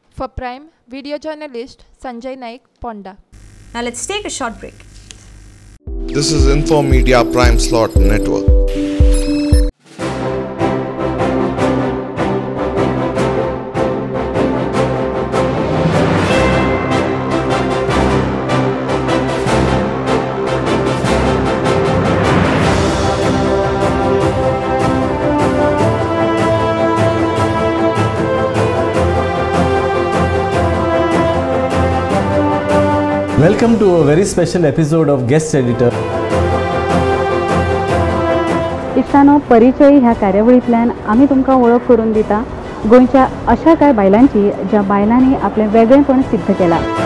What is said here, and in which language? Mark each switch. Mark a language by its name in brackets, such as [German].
[English] For prime video journalist Sanjay Naik Ponda. Now let's take a short break. This is info media prime slot network. Welcome to a very special episode of Guest Editor. [Konkani] इसानो परिचय ह्या कार्यावळीतल्यान आम्ही तुमकां ओळख करून दिता गोंयच्या अशा काय बायलांची ज्या बायलांनी आपले वेगळेपण सिद्ध केला.